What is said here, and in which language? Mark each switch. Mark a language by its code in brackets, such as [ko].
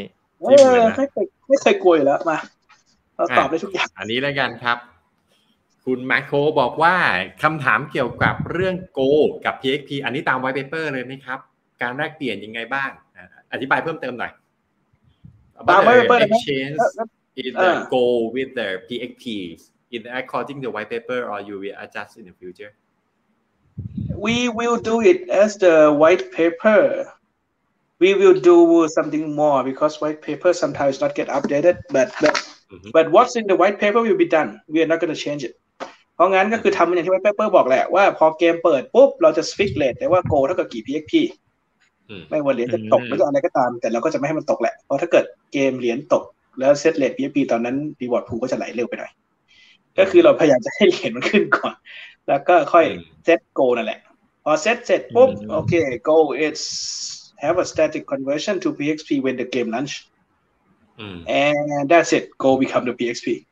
[th] ไม่เคยกลัวแล้วมาเราตอบได้ทุกอย่าง อันนี้แล้วกันครับคุณแมคโคบอกว่าคำถามเกี่ยวกับเรื่องโกกับ PXP อันนี้ตามไวท์เปเปอร์เลยไหมครับการแลกเปลี่ยนยังไงบ้างอธิบายเพิ่มเติมหน่อย [en] But exchange in the goal with the PXP in according to the white paper or you will adjust in the future? We will do it as the white paper. We will do something more because white paper sometimes not get updated. But what's in the white paper will be done. We are not going to change it. [th] เพราะงั้นก็คือทำอย่างที่ white paper บอกแหละว่าพอเกมเปิดปุ๊บเราจะ fix เลทแต่ว่า goal เท่ากับกี่ PXPไม่ว่าเหรียญจะตกหรืออะไรก็ตามแต่เราก็จะไม่ให้มันตกแหละเพราะถ้าเกิดเกมเหรียญตกแล้วเซตเรท PFP ตอนนั้นรีวอร์ดพูลก็จะไหลเร็วไปหน่อยก็คือเราพยายามจะให้เหรียญมันขึ้นก่อนแล้วก็ค่อยเซตโกนั่นแหละพอเซตเสร็จปุ๊บโอเคโก [en] it's have a static conversion to PXP when the game launch and that's it go become the PXP